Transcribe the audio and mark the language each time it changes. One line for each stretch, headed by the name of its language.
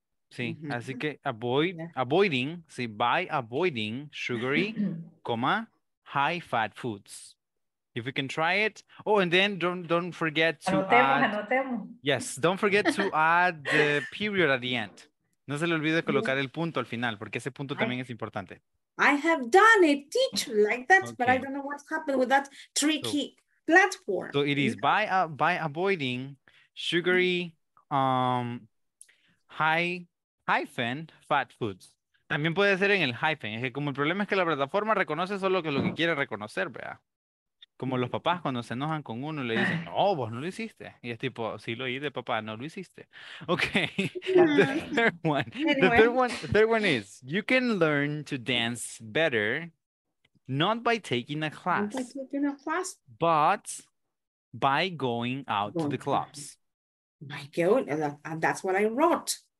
English: See,
Spanish: así que
English: avoiding, see, by avoiding sugary, high-fat foods. If we can try it. Oh, and then don't forget to
Spanish: anotemos.
English: Yes, don't forget to add the period at the end.
Spanish: No se le olvide colocar el punto al final, porque ese punto también es importante.
English: I have done it, teacher, like that, okay. But I don't know what happened with that tricky platform. So it is by avoiding sugary, hyphen fat foods.
Spanish: También puede ser en el hyphen. Es que como el problema es que la plataforma reconoce solo que lo que quiere reconocer, vea. Como los papás cuando se enojan con uno le dicen, no, vos no lo hiciste. Y es tipo, sí lo oí de papá, no lo hiciste.
English: Okay. The third one is, you can learn to dance better not by taking a class. Not by taking a class. But by going out to the clubs. My God, and that's what I wrote.